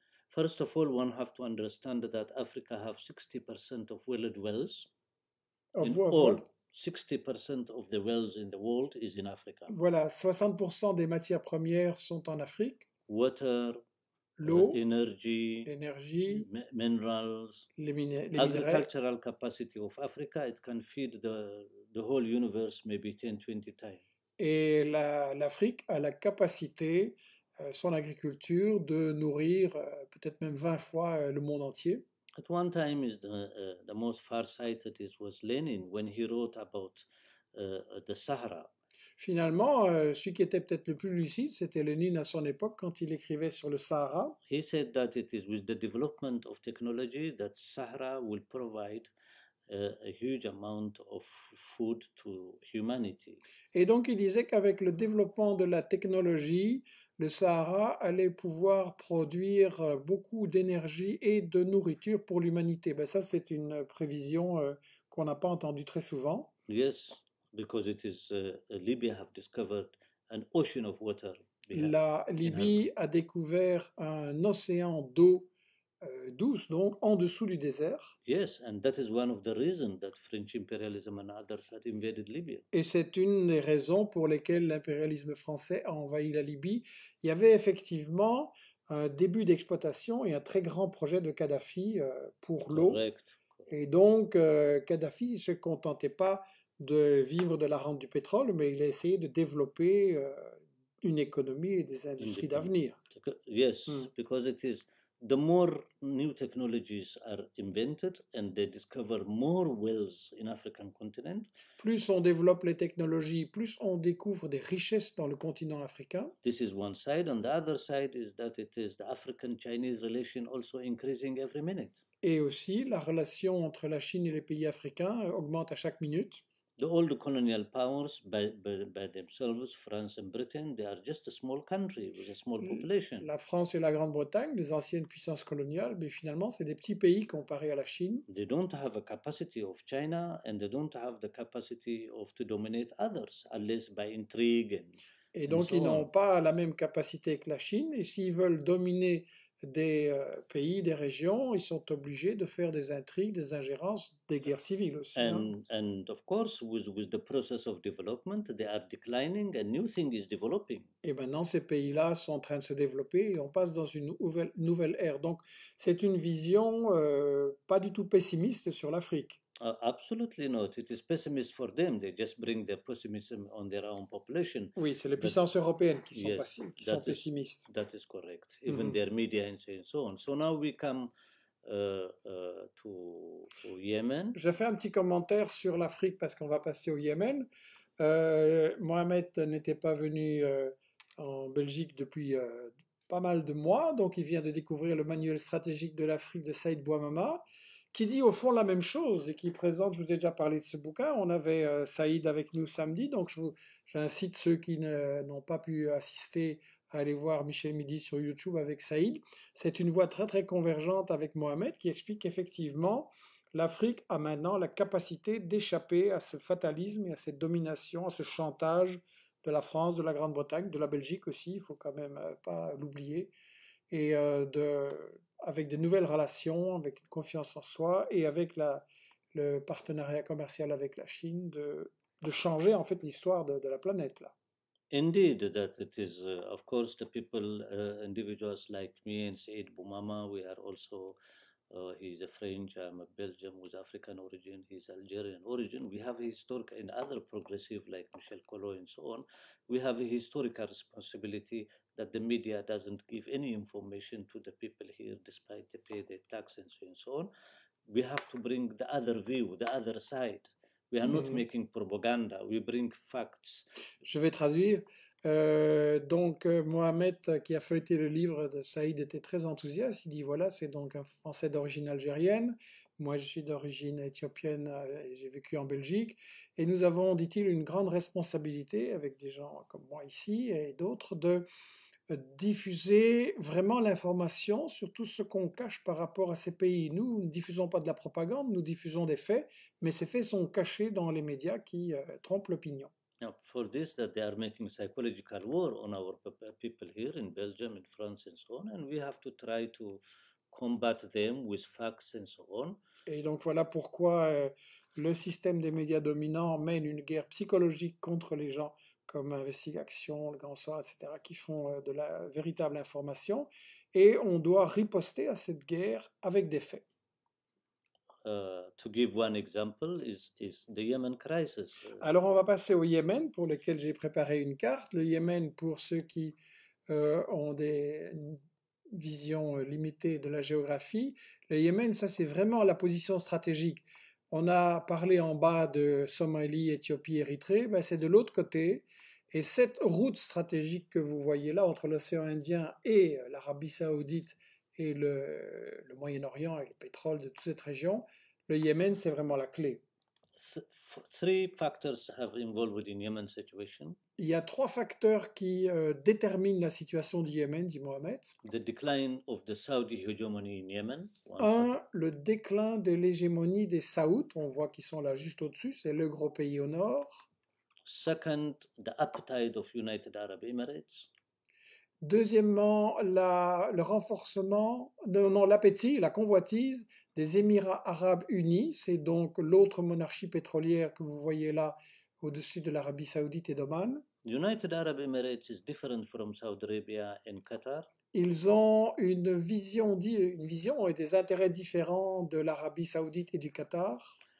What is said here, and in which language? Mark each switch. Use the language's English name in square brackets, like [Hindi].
[English] First of all, one have to understand that Africa have 60% of world wealth. Of what? All. 60% of the wealth in the world is in Africa. [French] Voilà, 60% des matières premières sont en Afrique. [English] Water. [French] L'eau, l'énergie, [English] minerals, [French] les [English] agricultural [French] minerais. [English] Capacity of Africa, it can feed the whole universe maybe 10-20 times. [French] Et l'Afrique a la capacité son agriculture de nourrir peut-être même 20 fois le monde entier. [English] At one time is the most far-sighted it was Lenin when he wrote about the Sahara. [French] Finalement, celui qui était peut-être le plus lucide, c'était Lénine à son époque quand il écrivait sur le Sahara. [English] He said that it is with the development of technology that Sahara will provide a huge amount of food to humanity. [French] Et donc il disait qu'avec le développement de la technologie, le Sahara allait pouvoir produire beaucoup d'énergie et de nourriture pour l'humanité. Ben ça, c'est une prévision qu'on n'a pas entendue très souvent. [English] Yes. Because it is Libya have discovered an ocean of water. [French] La Libye a découvert un océan d'eau douce, donc en dessous du désert. [English] Yes, and that is one of the reasons that French imperialism and others had invaded Libya. [French] Et c'est une des raisons pour lesquelles l'impérialisme français a envahi la Libye. Il y avait effectivement un début d'exploitation et un très grand projet de Kadhafi pour l'eau. [English] Correct. [French] Et donc Kadhafi ne se contentait pas de vivre de la rente du pétrole, mais il a essayé de développer une économie et des industries d'avenir. [English] Yes, because it is the more new technologies are invented and they discover more wells in African continent. [French] Plus on développe les technologies, plus on découvre des richesses dans le continent africain. [English] This is one side, and the other side is that it is the African-Chinese relation also increasing every minute. [French] Et aussi, la relation entre la Chine et les pays africains augmente à chaque minute. [English] The old colonial powers by themselves, France and Britain, they are just a small country with a small population. [French] La France et la Grande-Bretagne, les anciennes puissances coloniales, mais finalement, c'est des petits pays comparés à la Chine. [English] They don't have a capacity of China and they don't have the capacity of to dominate others unless by intrigue. [French] Et donc, ils n'ont pas la même capacité que la Chine. Et s'ils veulent dominer des pays, des régions, ils sont obligés de faire des intrigues, des ingérences, des guerres civiles aussi. [English] And of course, with the process of development, they are declining and new thing is developing. [French] Et maintenant, ces pays-là sont en train de se développer et on passe dans une nouvelle ère. Donc, c'est une vision pas du tout pessimiste sur l'Afrique. [English] Absolutely not. It is pessimist for them. They just bring their pessimism on their own population. [French] Oui, c'est les puissances européennes qui sont, sont pessimistes. [English] That is correct. Even their media and so on. So now we come to Yemen. [French] Je fais un petit commentaire sur l'Afrique parce qu'on va passer au Yémen. Mohamed n'était pas venu en Belgique depuis pas mal de mois. Donc il vient de découvrir le manuel stratégique de l'Afrique de Saïd Bouamama, qui dit au fond la même chose et qui présente, je vous ai déjà parlé de ce bouquin, on avait Saïd avec nous samedi, donc j'incite ceux qui n'ont pas pu assister à aller voir Michel Midi sur YouTube avec Saïd. C'est une voix très très convergente avec Mohamed qui explique qu'effectivement l'Afrique a maintenant la capacité d'échapper à ce fatalisme et à cette domination, à ce chantage de la France, de la Grande-Bretagne, de la Belgique aussi, il ne faut quand même pas l'oublier, et avec des nouvelles relations, avec une confiance en soi et avec le partenariat commercial avec la Chine, de changer en fait l'histoire de la planète là. [English] Indeed, that it is of course the people, individuals like me and Saïd Bouamama, we are also, he's a French, I'm a Belgian with African origin, he's Algerian origin. We have a historic and other progressive like Michel Collot and so on. We have a historical responsibility that the media doesn't give any information to the people here despite they pay their tax and so on. We have to bring the other view, the other side. We are not making propaganda, we bring facts. [French] Je vais traduire. Mohamed, qui a feuilleté le livre de Saïd, était très enthousiaste. Il dit, voilà, c'est donc un Français d'origine algérienne. Moi, je suis d'origine éthiopienne, j'ai vécu en Belgique. Et nous avons, dit-il, une grande responsabilité, avec des gens comme moi ici et d'autres, de diffuser vraiment l'information sur tout ce qu'on cache par rapport à ces pays. Nous, nous ne diffusons pas de la propagande, nous diffusons des faits, mais ces faits sont cachés dans les médias qui trompent l'opinion. [English] Now, for this, that they are making psychological war on our people here in Belgium, in France, and so on, and we have to try to combat them with facts and so on. [French] Et donc voilà pourquoi le système des médias dominants mène une guerre psychologique contre les gens comme Investigation, Le Grand Soir, etc., qui font de la véritable information, et on doit riposter à cette guerre avec des faits. [English] To give one example is the Yemen crisis. [French] Alors on va passer au Yémen pour lequel j'ai préparé une carte. Le Yémen, pour ceux qui ont une vision limitée de la géographie. Le Yémen, ça, c'est vraiment la position stratégique. On a parlé en bas de Somalie, Éthiopie, Érythrée, ben c'est de l'autre côté. Et cette route stratégique que vous voyez là entre l'océan Indien et l'Arabie Saoudite et le Moyen-Orient et le pétrole de toute cette région, le Yémen, c'est vraiment la clé. [English] Three factors have involved in Yemen situation. [French] Il y a trois facteurs qui déterminent la situation du Yémen, dit Mohamed. [English] The decline of the Saudi hegemony in Yemen, one factor. [French] Un, le déclin de l'hégémonie des Saouds, on voit qu'ils sont là juste au-dessus, c'est le gros pays au nord. [English] Second, the appetite of United Arab Emirates. [French] Deuxièmement, le renforcement, non, l'appétit, la convoitise des Émirats arabes unis, c'est donc l'autre monarchie pétrolière que vous voyez là au-dessus de l'Arabie saoudite et d'Oman. [English] United Arab Emirates is different from Saudi Arabia and Qatar. [French] Ils ont une vision et des intérêts différents de l'Arabie saoudite et du Qatar.